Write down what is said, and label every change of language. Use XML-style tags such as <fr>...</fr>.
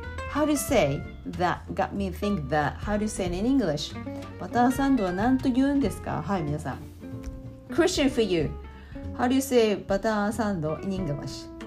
<en>How do you say that got me think that? How do you say it in English?</en> <ja>バターサンドは何と言うんですか? はい、皆さん。</ja> <en>Question for you. How do you say butter sand in English?</en>